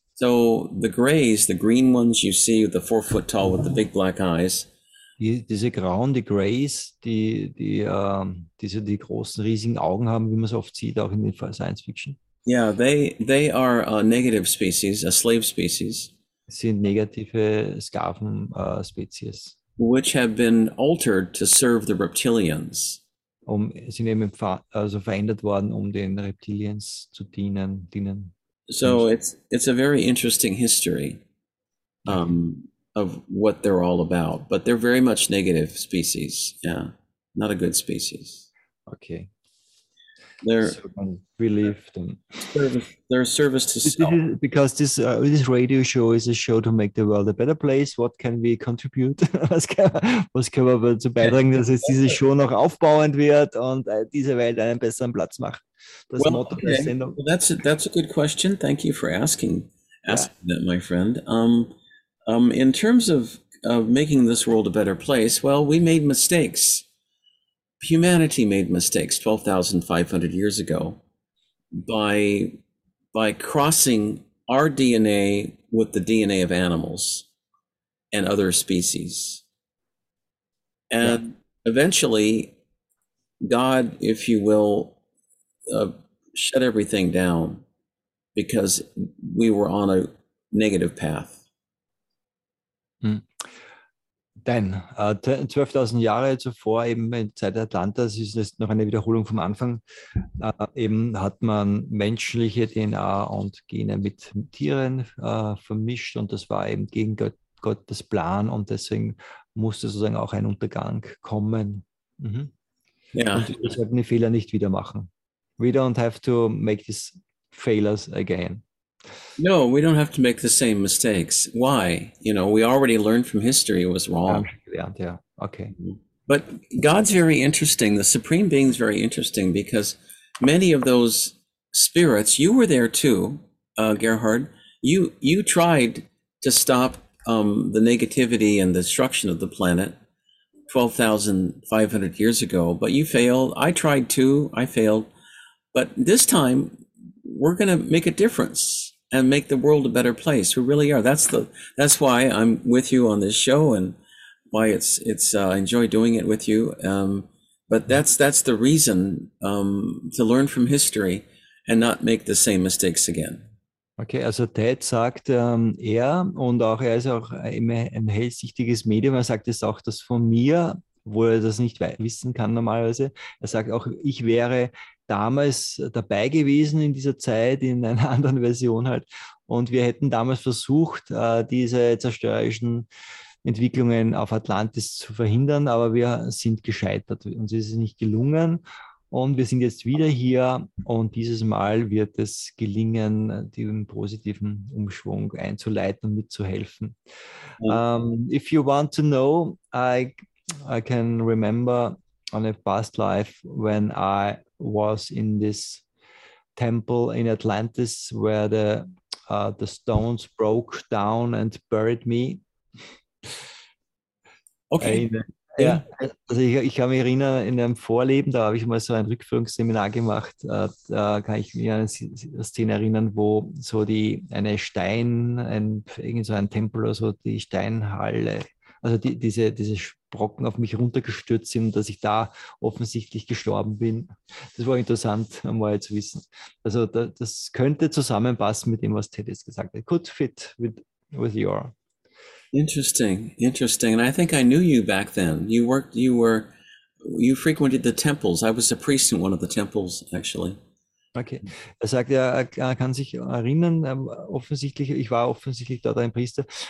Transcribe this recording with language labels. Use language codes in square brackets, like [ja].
[en] So the grays, the green ones you see, the 4 foot tall with the big black eyes. [de] Diese grauen, die Grays, die großen riesigen Augen haben, wie man es oft sieht, auch in den Science Fiction. [en] Yeah, they are a negative species, a slave species. [de] Sind negative Sklaven Spezies. [en] Which have been altered to serve the reptilians. [de] Sind eben also verändert worden, um den Reptilians zu dienen. [en] So it's a very interesting history of what they're all about, but they're very much negative species. Yeah, not a good species. Okay. They're so relieved them. They're a service to self. Because this radio show is a show to make the world a better place. What can we contribute? [de] Was können wir dazu beitragen, dass es diese Show noch aufbauend wird und diese Welt einen besseren Platz macht? Das Motto der Sendung. [en] Well, that's a good question. Thank you for asking that, my friend. In terms of making this world a better place, well, we made mistakes. Humanity made mistakes 12,500 years ago by crossing our DNA with the DNA of animals and other species. And eventually, God, if you will, shut everything down because we were on a negative path. [de] Denn 12.000 Jahre zuvor, eben in der Zeit Atlantas, ist es noch eine Wiederholung vom Anfang, eben hat man menschliche DNA und Gene mit Tieren vermischt und das war eben gegen Gottes Plan und deswegen musste sozusagen auch ein Untergang kommen. Und wir sollten die Fehler nicht wieder machen. [en] We don't have to make these failures again. No, we don't have to make the same mistakes. Why? You know, we already learned from history it was wrong. Yeah, okay. But God's very interesting. The Supreme Being is very interesting because many of those spirits, you were there too, Gerhard. You tried to stop the negativity and the destruction of the planet 12,500 years ago, but you failed. I tried too. I failed. But this time, we're going to make a difference. And make the world a better place. We really are. That's why I'm with you on this show, and why it's I enjoy doing it with you. But that's the reason to learn from history and not make the same mistakes again. [de] Okay, also Ted sagt, er ist auch immer ein hellsichtiges Medium. Er sagt es auch, das von mir, wo er das nicht wissen kann normalerweise. Er sagt auch, ich wäre damals dabei gewesen in dieser Zeit, in einer anderen Version halt. Und wir hätten damals versucht, diese zerstörerischen Entwicklungen auf Atlantis zu verhindern, aber wir sind gescheitert. Uns ist es nicht gelungen und wir sind jetzt wieder hier und dieses Mal wird es gelingen, den positiven Umschwung einzuleiten und mitzuhelfen. [en] If you want to know, I can remember on a past life when I was in this temple in Atlantis where the stones broke down and buried me. Okay. In a, [de] Ja, also ich kann mich erinnern, in einem Vorleben, da habe ich mal so ein Rückführungsseminar gemacht, da kann ich mich an eine Szene erinnern, wo so die eine Stein, ein, irgend so ein Tempel oder so, die Steinhalle, also diese Brocken auf mich runtergestürzt sind, dass ich da offensichtlich gestorben bin. Das war interessant, einmal zu wissen. Also das könnte zusammenpassen mit dem, was Ted jetzt gesagt hat. [en] Could fit with your. Interesting, interesting. And I think I knew you back then. You frequented the temples. I was a priest in one of the temples, actually. [de] Okay, er sagt, er kann sich erinnern, offensichtlich, ich war offensichtlich dort ein Priester.